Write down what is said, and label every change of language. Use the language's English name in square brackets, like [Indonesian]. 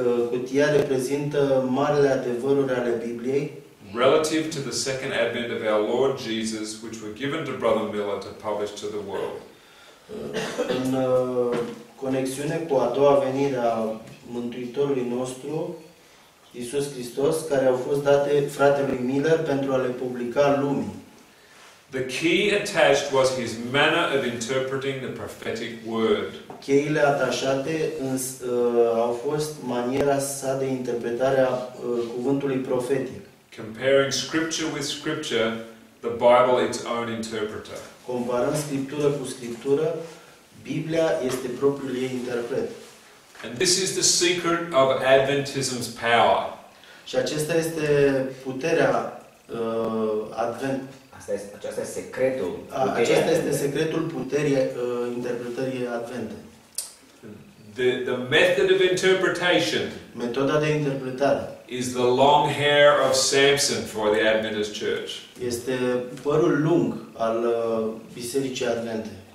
[Romanian] Cutia reprezintă marile adevăruri ale Bibliei. [English] Relative to the second advent of our Lord Jesus, which were given to Brother Miller to publish to the world. [Romanian] În conexiune cu a doua venire a Mântuitorului nostru Iisus Hristos, care au fost date fratelui Miller pentru a le publica lumii. [English] The key attached was his manner of interpreting the prophetic word. [Romanian] Cheile atașate au fost maniera sa de interpretare a cuvântului profetic. [English] Comparing scripture with scripture, the Bible its own interpreter. [Romanian] Comparând scriptură cu scriptură, Biblia este propriul ei interpret. [English] And this is the secret of Adventism's power. [Romanian] Și acesta este puterea Advent. Aceasta este secretul. Acesta este secretul puterii interpretării Advente. [English] The method of interpretation. [Romanian] Metoda de interpretare. [English] Is the long hair of Samson for the Adventist Church. [Romanian] Este părul lung al bisericii Advente.